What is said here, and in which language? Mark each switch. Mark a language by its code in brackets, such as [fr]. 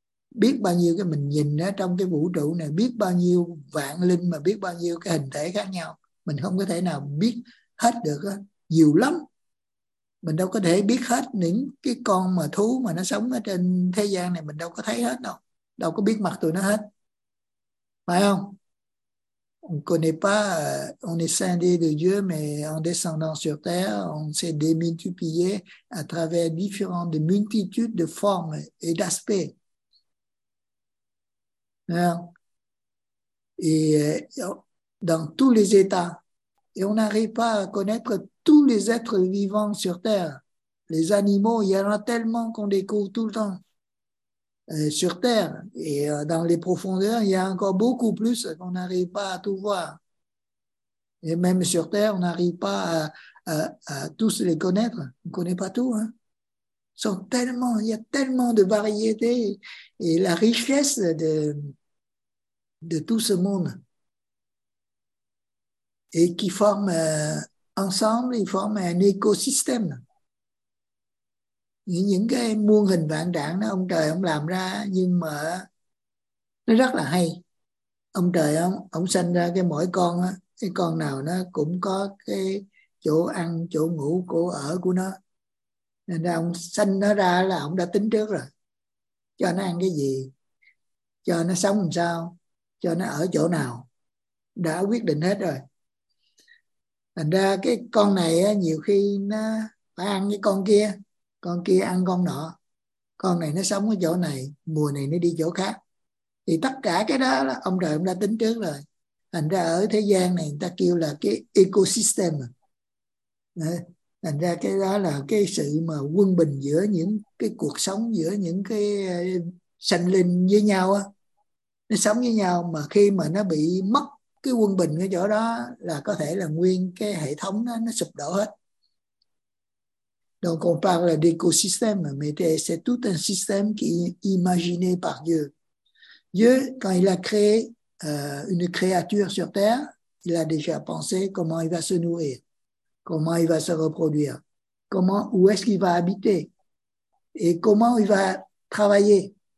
[vi] Biết bao nhiêu cái mình nhìn ở trong cái vũ trụ này, biết bao nhiêu vạn linh mà biết bao nhiêu cái hình thể khác nhau, mình không có thể nào biết hết được đó. Nhiều lắm, mình đâu có thể biết hết những cái con mà thú mà nó sống ở trên thế gian này, mình đâu có thấy hết đâu. Đâu có biết mặt tụi nó hết. Phải không? [fr] On ne connaît pas, on est scindé de Dieu, mais en descendant sur terre, on s'est démultiplié à travers différentes multitudes de formes et d'aspects. Et dans tous les états. Et on n'arrive pas à connaître tous les êtres vivants sur terre. Les animaux, il y en a tellement qu'on découvre tout le temps. Sur Terre et dans les profondeurs, il y a encore beaucoup plus qu'on n'arrive pas à tout voir. Et même sur Terre, on n'arrive pas à tous les connaître. On ne connaît pas tout. Hein. sont tellement, il y a tellement de variétés et la richesse de tout ce monde. Et qui forment ensemble, ils forment un écosystème. [vi] Những cái muôn hình vạn trạng đó ông trời ông làm ra, nhưng mà nó rất là hay. Ông trời ông sanh ra cái mỗi con á, cái con nào nó cũng có cái chỗ ăn, chỗ ngủ, chỗ ở của nó. Nên ra ông sanh nó ra là ông đã tính trước rồi. Cho nó ăn cái gì, cho nó sống làm sao, cho nó ở chỗ nào, đã quyết định hết rồi. Thành ra cái con này á, nhiều khi nó phải ăn cái con kia ăn con nọ. Con này nó sống ở chỗ này, mùa này nó đi chỗ khác. Thì tất cả cái đó là ông trời ông đã tính trước rồi. Thành ra ở thế gian này người ta kêu là cái ecosystem. Thành ra cái đó là cái sự mà quân bình giữa những cái cuộc sống, giữa những cái sanh linh với nhau á. Nó sống với nhau mà khi mà nó bị mất cái quân bình ở chỗ đó là có thể là nguyên cái hệ thống nó sụp đổ hết. [fr] Donc on parle d'écosystème, mais c'est tout un système qui est imaginé par Dieu. Dieu, quand il a créé une créature sur Terre, il a déjà pensé comment il va se nourrir, comment il va se reproduire, comment, où est-ce qu'il va habiter et comment il va travailler.